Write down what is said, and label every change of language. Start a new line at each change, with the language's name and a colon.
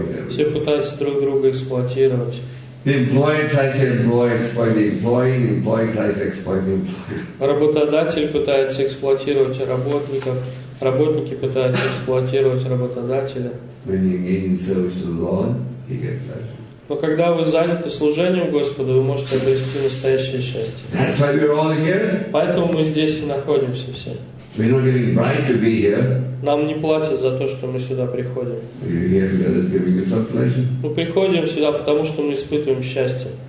Russian: Все пытаются друг друга эксплуатировать. Работодатель пытается эксплуатировать работников, работники пытаются эксплуатировать работодателя.
English: When you gain service to the Lord, you get pleasure.
Russian: Но когда вы заняты служением Господу, вы можете обрести настоящее счастье.
English: That's why we're all here.
Russian: Поэтому мы здесь и находимся все.
English: We're not getting bribed to be here.
Russian: Нам не платят за то, что мы сюда приходим. Мы приходим сюда, потому что мы испытываем счастье.